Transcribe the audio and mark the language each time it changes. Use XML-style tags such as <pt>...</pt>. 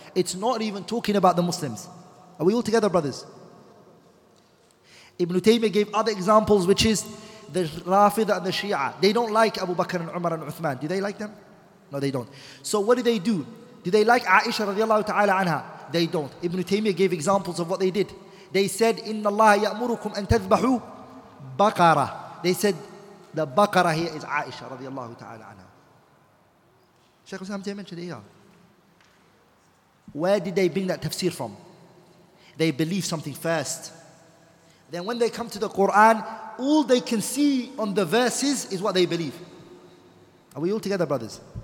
<en>It's not even talking about the Muslims. Are we all together, brothers? Ibn Taymiyyah gave other examples, which is the Rafida and the Shia. They don't like Abu Bakr and Umar and Uthman. Do they like them? No, they don't. So what do? Do they like Aisha radiallahu ta'ala anha? They don't. Ibn Taymiyyah gave examples of what they did. They said,</en> <ar>إِنَّ اللَّهَ يَأْمُرُكُمْ أَن تَذْبَحُوا بَقَرَةً.</ar> <en>They said, the Baqara here is Aisha radiallahu ta'ala anha. Shaykh Islam didn't mention it here. Where did they bring that tafsir from? They believe something first. Then when they come to the Quran, all they can see on the verses is what they believe. Are we all together, brothers?</en>